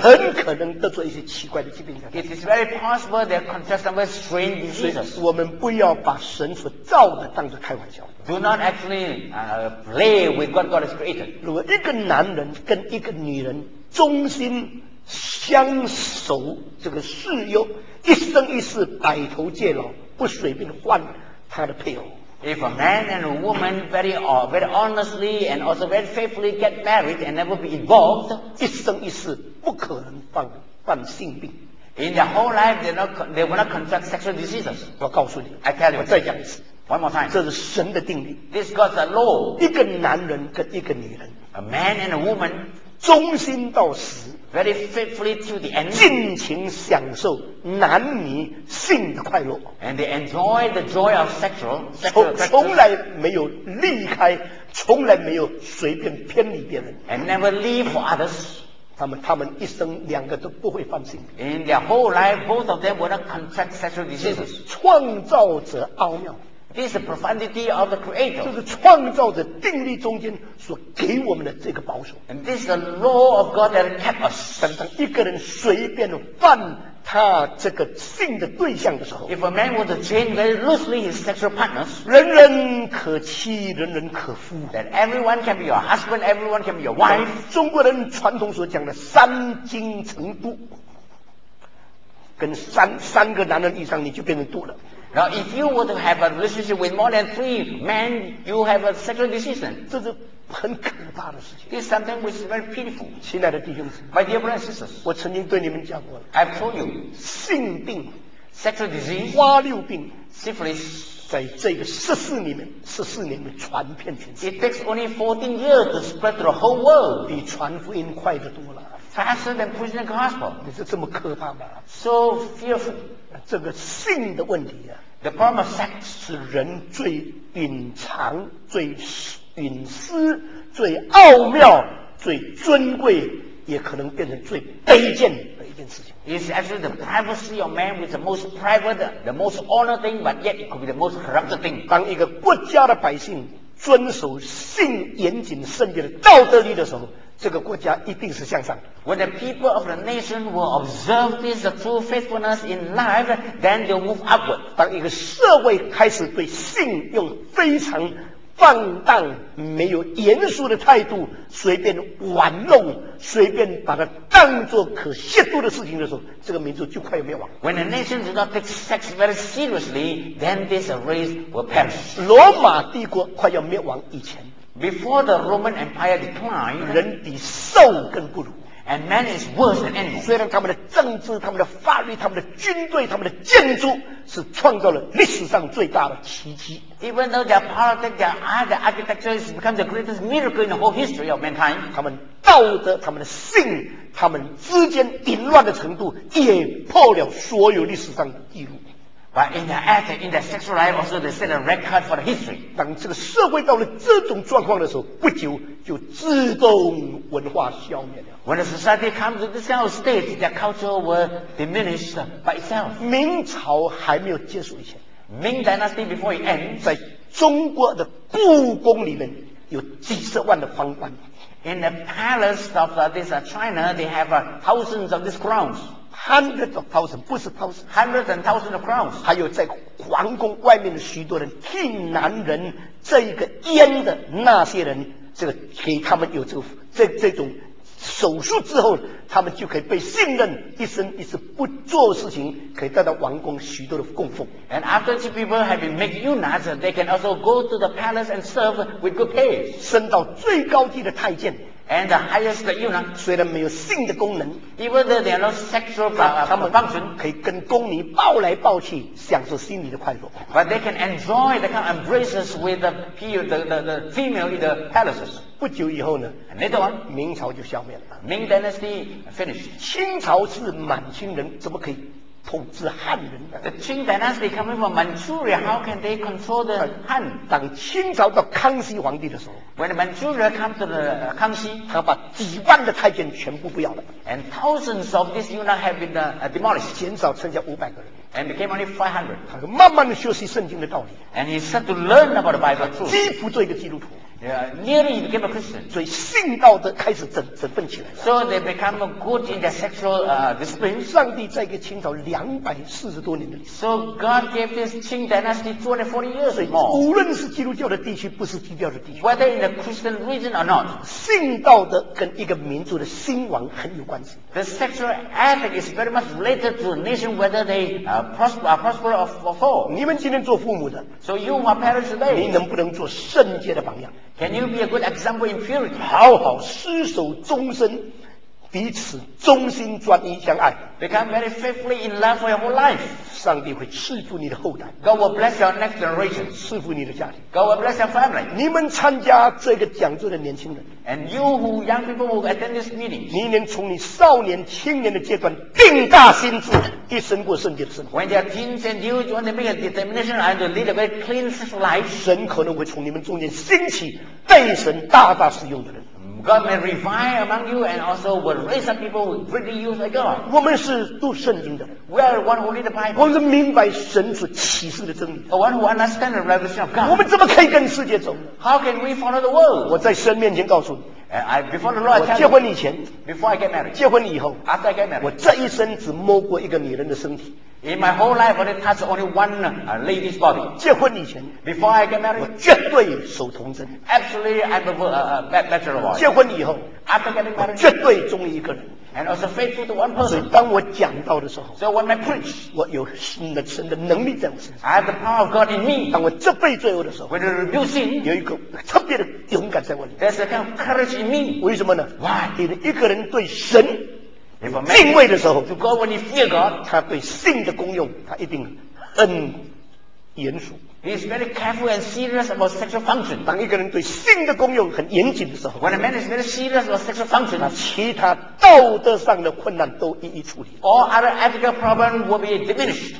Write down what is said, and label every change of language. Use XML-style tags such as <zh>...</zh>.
<zh>很可能得罪一些奇怪的疾病。</zh> <en>It is very possible they contract some very strange diseases.</en> <zh>我们不要把神所造的当作开玩笑。</zh> <en>Do not actually play with what God has created.</en> <zh>如果一个男人跟一个女人忠心相守这个誓约，一生一世白头偕老，不随便换他的配偶。</zh> <en>If a man and a woman very honestly and also very faithfully get married and never be involved,</en> <zh>一生一世不可能犯性病。</zh> <en>In their whole life, they will not contract sexual diseases.</en> <zh>我告诉你，</zh> <en>I tell you,</en> <zh>我再讲一次，</zh> <en>one more time.</en> <zh>这是神的定律。</zh> <en>This God's a law.</en> <zh>一个男人跟一个女人，</zh> <en>a man and a woman,</en> <zh>忠心到死，</zh> <en>very faithfully to the end,</en> <zh>尽情享受男女性的快乐。</zh> <en>And they enjoy the joy of sexual practice.</en> <zh>从来没有离开，从来没有随便偏离别人。</zh> <en>And never leave for others.</en> <zh>他们一生两个都不会犯性病。</zh> <en>In their whole life, both of them will not contract sexual diseases.</en> <zh>创造者奥妙。</zh> <en>This is the profundity of the Creator.</en> <zh>就是创造者定律中间所给我们的这个保守。</zh> <en>And this is the law of God that kept us.</en> <zh>当一个人随便犯他这个性的对象的时候</zh> <en>If a man was to chain very loosely his sexual partners</en> <zh>人人可妻人人可夫</zh> <en>That everyone can be your husband Everyone can be your wife</en> <zh>中国人传统所讲的三精成度跟 三个男人以上你就变成度了</zh> <en>Now, if you were to have a relationship with more than three men, you have a sexual decision.</en> <zh>这是很可怕的事情。</zh> <en>This is something which is very pitiful.</en> <zh>亲爱的弟兄姊妹</zh> <en>My dear brothers and sisters,</en> <zh>我曾经对你们讲过了。</zh> <en>I've told you,</en> <zh>性病</zh> <en>sexual disease,</en> <zh>花柳病</zh> <en>syphilis,</en> <zh>在这个14年里面传遍全世界。</zh> <en>It takes only 14 years to spread to the whole world.</en> <zh>比传福音快得多了。</zh> <en>Faster than preaching the gospel.</en> <zh>你是这么可怕吗</zh> <en>So fearful.</en> <zh>这个性的问题啊</zh> <en>The problem of sex</en> <zh>是人最隐藏最隐私最奥妙最尊贵也可能变成最卑贱的一件事情</zh> <en>It's actually the privacy of man which is the most private the most honored thing but yet it could be the most corrupted thing</en> <zh>当一个国家的百姓遵守性严谨圣洁的道德律的时候这个国家一定是向上的</zh> <en>When the people of the nation will observe this true faithfulness in life then they'll move upward</en> <zh>当一个社会开始对性用非常放荡没有严肃的态度随便玩弄随便把它当作可亵渎的事情的时候这个民族就快要灭亡</zh> <en>When the nation does not take sex very seriously then this race will perish</en> <zh>罗马帝国快要灭亡以前</zh> <en>Before the Roman Empire declined,</en> <zh>人比兽更不如</zh> <en>and man is worse than animals.</en> <zh>虽然他们的政治、他们的法律、他们的军队、他们的建筑是创造了历史上最大的奇迹</zh> <en>even though their politics, their art, their architecture has become the greatest miracle in the whole history of mankind,</en> <zh>他们道德、他们的性、他们之间淫乱的程度也破了所有历史上的记录。</zh> <en>But in the act, in the sexual life also, they set a record for the history.</en> <zh>当这个社会到了这种状况的时候，不久就自动文化消灭了。</zh> <en>When the society comes to this kind of state, their culture will diminish by itself.</en> <zh>明朝还没有结束以前</zh> <en>Ming dynasty before it ends,</en> <zh>在中国的故宫里面有几十万的皇冠。</zh> <en>In the palace of this China, they have thousands of these crowns. Hundreds of thousands,</en> <zh>不是</zh> <en>thousands. Hundreds and thousands of crowns.</en> <zh>还有在皇宫外面的许多人替男人这一个阉的那些人，这个给他们有这种手术之后，他们就可以被信任，一生一世不做事情，可以得到王宫许多的供奉。</zh> <en>And after two people have been made eunuchs, they can also go to the palace and serve with good pay.</en> <zh>升到最高级的太监。</zh> <en>And the highest the eunuch,</en> <zh>虽然没有性的功能</zh> <en>even though they are not sexual function,</en> <zh>可以跟宫女抱来抱去，享受心里的快乐。</zh> <en>But they can enjoy the kind of embraces with the female in the palaces.</en> <zh>不久以后呢</zh> <en>And later on,</en> <zh>明朝就消灭了。</zh> <en>Ming dynasty finished.</en> <zh>清朝是满清人，怎么可以统治汉人呢</zh> <en>The Qing dynasty coming from Manchuria, how can they control the Han?</en> <zh>当清朝到康熙皇帝的时候</zh> <en>When Manchuria comes to the 康熙</en> <zh>他把几万的太监全部不要了</zh> <en>And thousands of these eunuchs have been demolished</en> <zh>减少剩下500个人</zh> <en>And became only 500</en> <zh>他慢慢地学习圣经的道理</zh> <en>And he started to learn about the Bible truth</en> <zh>几乎做一个基督徒</zh> <en>Nearly he became a Christian</en> <zh>所以性道德开始振奋起来</zh> <en>So they become good in their sexual discipline</en> <zh>上帝在一个清朝240多年的</zh> <en>So God gave this Qing dynasty 240 years more</en> <zh>无论是基督教的地区不是基督教的地区</zh> <en>Whether in the Christian region or not</en> <zh>性道德跟一个民族的兴亡很有关系</zh> <en>The sexual ethic is very much related to the nation whether they prosper or fall</en> <zh>你们今天做父母的</zh> <en>So you are parents today</en> <zh>你能不能做圣洁的榜样</zh> <en>Can you be a good example in purity</en> <zh>好好厮守终身彼此忠心专一相爱</zh> <en>Become very faithfully in love for your whole life</en> <zh>上帝会赐福你的后代</zh> <en>God will bless your next generation</en> <zh>赐福你的家庭</zh> <en>God will bless your family</en> <zh>你们参加这个讲座的年轻人</zh> <en>And you who young people who attend this meeting</en> <zh>你能从你少年青年的阶段定大心志一生过圣洁的生活</zh> <en>When they are teens and you want to make a determination and to lead a very clean life</en> <zh>神可能会从你们中间兴起被神大大使用的人</zh> <en>God may revive among you and also will raise up people who really use the God.</en> <zh>我们是读圣经的。</zh> <en>We are one who read the Bible.</en> <zh>我们是明白神所启示的真理。</zh> <en>The one who understands the revelation of God.</en> <zh>我们怎么可以跟世界走？</zh> <en>How can we follow the world?</en> <zh>我在神面前告诉你。</zh> <en>I, before the Lord, I tell</en> <zh>我结婚以前</zh> <en>before I get married,</en> <zh>结婚以后</zh> <en>after I get married,</en> <zh>我这一生只摸过一个女人的身体。</zh> <en>In my whole life, I only touched only one lady's body.</en> <zh>结婚以前</zh> <en>before I get married,</en> <zh>我绝对守童贞。</zh> <en>Absolutely, I prefer a bachelor wife.</en> <zh>结婚以后</zh> <en>after getting married,</en> <zh>我绝对忠于一个人。</zh> <en>And also faithful to one person.</en> <zh>所以当我讲到的时候</zh> <en>so when I preach,</en> <zh>我有新的神的能力在我身上</zh> <en>I have the power of God in me.</en> <zh>当我这辈罪恶的时候</zh> <en>when I rebuke sin,</en> <zh>有一个特别的勇敢在我里面</zh> <en>There's a kind of courage in me.</en> <zh>为什么呢</zh> <en>Why?</en> <zh>你一个人对神敬畏的时候</zh> <en>to God when you fear God,</en> <zh>他对信的功用他一定很严肃</zh> <en>He is very careful and serious about sexual function.</en> <zh>当一个人对性的功用很严谨的时候</zh> <en>，When a man is very serious about sexual function,</en> <zh>那其他道德上的困难都一一处理。</zh> <en>All other ethical problems will be diminished.</en>